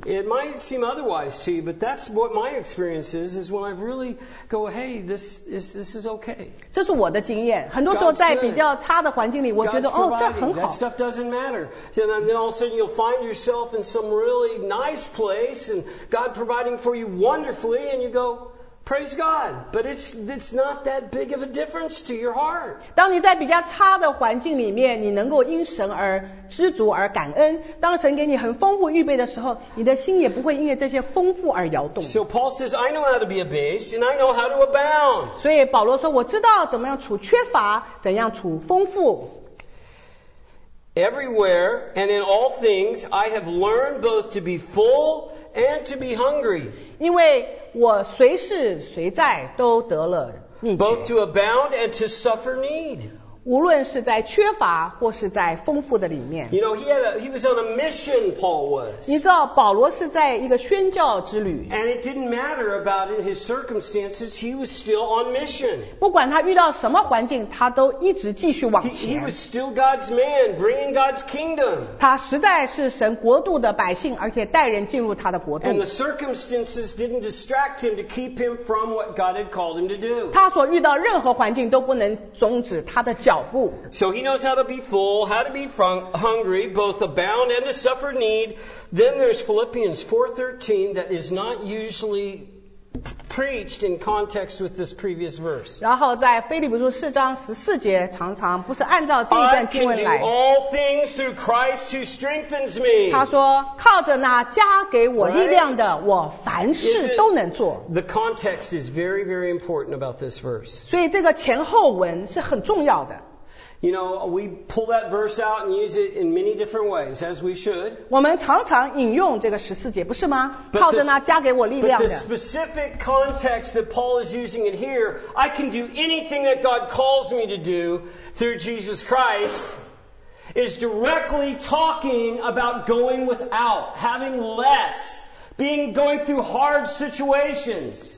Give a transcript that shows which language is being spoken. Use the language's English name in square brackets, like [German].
[English] It might seem otherwise to you, but that's what my experience is when I really go, hey, this is okay. [Chinese] 这是我的经验。很多时候在比较差的环境里，我觉得哦，这很好。 [English] That stuff doesn't matter. And then all of a sudden you'll find yourself in some really nice place and God providing for you wonderfully, and you go, praise God, but it's not that big of a difference to your heart. [Chinese] 当你在比较差的环境里面，你能够因神而知足而感恩，当神给你很丰富预备的时候，你的心也不会因为这些丰富而摇动。 [English] So Paul says, I know how to be abased, and I know how to abound. [Chinese] 所以保罗说，我知道怎么样处缺乏，怎样处丰富。 [English] Everywhere and in all things, I have learned both to be full and to be hungry. [Chinese] 因为我随时随在都得了秘诀。 [English] Both to abound and to suffer need. [Chinese] 无论是在缺乏或是在丰富的里面。 [English] You know, he was on a mission, Paul was. [Chinese] 你知道保罗是在一个宣教之旅。 [English] And it didn't matter about his circumstances, he was still on mission. [Chinese] 不管他遇到什么环境，他都一直继续往前。 [English] He was still God's man, bringing God's kingdom. [Chinese] 他实在是神国度的百姓，而且带人进入他的国度。 [English] And the circumstances didn't distract him to keep him from what God had called him to do. [Chinese] 他所遇到任何环境都不能终止他的脚步。 [English] So he knows how to be full, how to be hungry, both abound and to suffer need. Then there's Philippians 4:13 that is not usually preached in context with this previous verse. [Chinese] 然后在腓立比书四章十四节常常不是按照这一段经文来。 [English] I can do all things through Christ who strengthens me. [Chinese] 他说靠着那加给我力量的，我凡事都能做。 [English] The context is very, very important about this verse. [Chinese] 所以这个前后文是很重要的。 [English] You know, we pull that verse out and use it in many different ways, as we should. [Chinese] 我们常常引用这个十四节，不是吗？靠着那加给我力量的。 [English] But the specific context that Paul is using it here, I can do anything that God calls me to do through Jesus Christ, is directly talking about going without, having less, being going through hard situations.